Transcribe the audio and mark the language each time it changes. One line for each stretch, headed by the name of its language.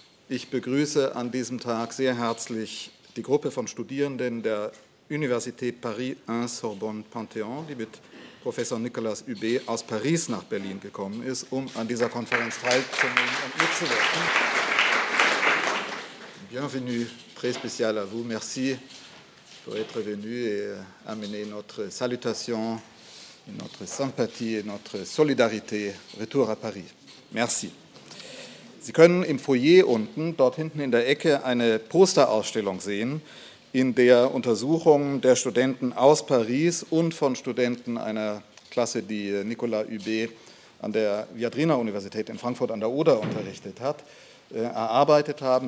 German: Ich begrüße an diesem Tag sehr herzlich die Gruppe von Studierenden der Universität Paris 1 Sorbonne Panthéon, die mit Professor Nicolas Hubé aus Paris nach Berlin gekommen ist, um an dieser Konferenz teilzunehmen und mitzuwirken.
French: Bienvenue, très spécial à vous, merci pour être venu et amener notre salutation, notre sympathie et notre solidarité. Retour à Paris. Merci.
German: Sie können im Foyer unten, dort hinten in der Ecke, eine Posterausstellung sehen, in der Untersuchungen der Studenten aus Paris und von Studenten einer Klasse, die Nicolas Hubé an der Viadrina-Universität in Frankfurt an der Oder unterrichtet hat, erarbeitet haben.